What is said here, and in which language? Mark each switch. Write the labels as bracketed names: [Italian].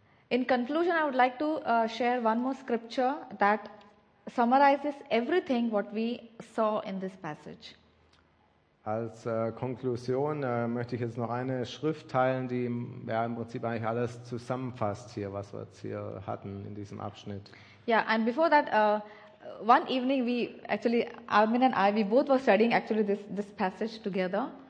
[English] In conclusion, I would like to share one more scripture that summarizes everything what we saw in this passage. [German] Als Konklusion möchte ich jetzt noch eine Schrift teilen, die im Prinzip eigentlich alles zusammenfasst hier, was wir jetzt hier hatten in diesem Abschnitt. [English] Ja, yeah, and before that, one evening we actually, Armin and I, we both were studying actually this passage together.